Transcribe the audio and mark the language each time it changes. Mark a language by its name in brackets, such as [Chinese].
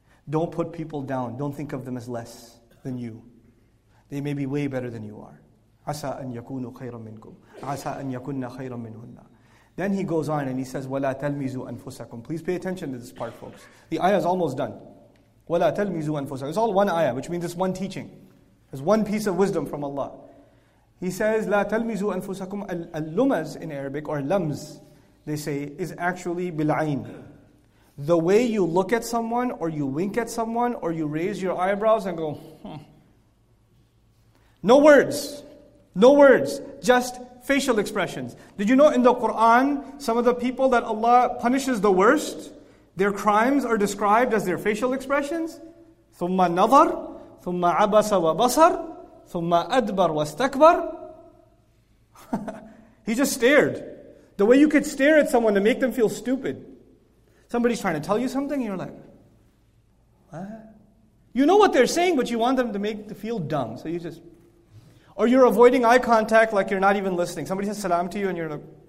[English] Don't put people down. Don't think of them as less than you. They may be way better than you are. [Arabic] عَسَىٰ أَن يَكُونُوا خَيْرًا مِنْكُمْ عَسَىٰ أَن يَكُنَّ خَيْرًا مِنْهُنَّ. [English] Then he goes on and he says, [Arabic] وَلَا تَلْمِزُوا أَنفُسَكُمْ. [English] Please pay attention to this part, folks. The ayah is almost done. [Arabic] وَلَا تَلْمِزُوا أَنفُسَكُمْ. [English] It's all one ayah, which means it's one teaching. It's one piece of wisdom from Allah. He says, [Arabic] لَا تَلْمِزُوا أَنفُسَكُمْ. [English] اللُّمَز in Arabic, or lams, they say, is actually [Arabic] بِالْعَيْنِ. [English] The way you look at someone, or you wink at someone, or you raise your eyebrows and go, No words. No words. Just facial expressions. Did you know in the Quran, some of the people that Allah punishes the worst, their crimes are described as their facial expressions? [Arabic] ثُمَّ نَظَرْ ثُمَّ عَبَسَ وَبَصَرْ ثُمَّ أَدْبَرْ وَاسْتَكْبَرْ [English] He just stared. The way you could stare at someone to make them feel stupid. Somebody's trying to tell you something, you're like, what? You know what they're saying, but you want them to make them feel dumb. So you just... Or you're avoiding eye contact like you're not even listening. Somebody says salam to you and you're like...